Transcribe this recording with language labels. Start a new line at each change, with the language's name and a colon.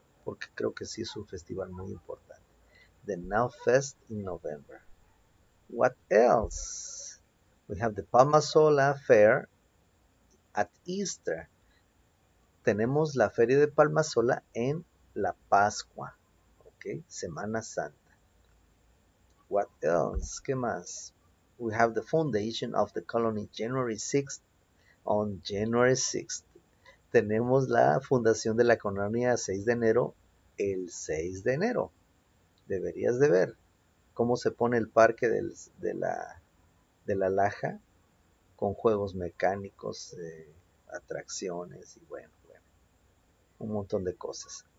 Spanish: Porque creo que sí es un festival muy importante.
English: The Now Fest in November. What else? We have the Palmasola Fair at Easter.
Spanish: Tenemos la Feria de Palmasola en la Pascua.
English: Okay, Semana Santa. What else?
Spanish: ¿Qué más?
English: We have the foundation of the colony January 6th on January 6th.
Spanish: Tenemos la fundación de la colonia 6 de enero. El 6 de enero. Deberías de ver cómo se pone el parque de la Laja con juegos mecánicos, atracciones y bueno, un montón de cosas.